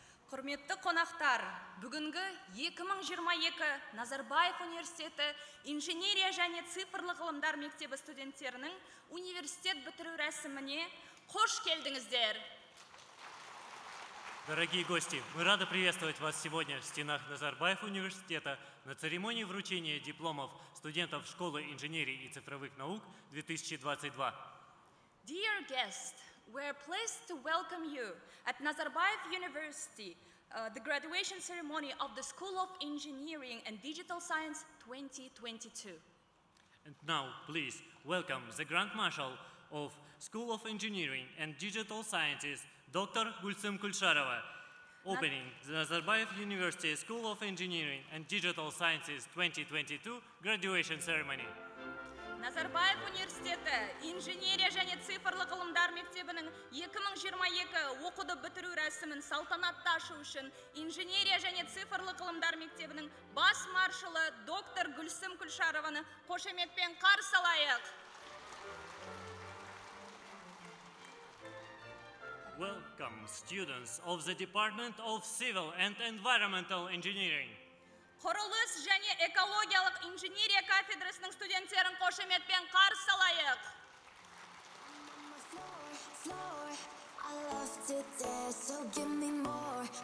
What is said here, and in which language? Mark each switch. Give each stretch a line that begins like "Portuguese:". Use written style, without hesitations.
Kazakh: Құрметті қонақтар, бүгінгі 2022 Назарбаев университеті инженерия және цифрлық ғылымдар мектебі студенттерінің университет бітіру рәсіміне қош келдіңіздер.
Russian: Дорогие гости, мы рады приветствовать вас сегодня в стенах Назарбаев университета на церемонии вручения дипломов студентов школы инженерии и цифровых наук 2022.
English: Dear guest, we are pleased to welcome you at Nazarbayev University, the graduation ceremony of the School of Engineering and Digital Science 2022. And now, please welcome the Grand Marshal of School of Engineering and Digital Sciences, Dr. Gulsum Kulsharova, opening the Nazarbayev University School of Engineering and Digital Sciences 2022 graduation ceremony.
Kazakh: Назарбаев университеті инженерия және цифрлық ғылымдар мектебінің 2022 оқуды бітіру рәсімін салтанатты ашу үшін инженерия және цифрлық ғылымдар мектебінің бас маршалы доктор Гүлсім Күлшарованы қошеметпен қарсы алайық.
English: Welcome students of the Department of Civil and Environmental Engineering.
Kazakh: Құрылыс және экологиялық инженерия кафедрасының студенттерін қошеметпен қарсы алайық.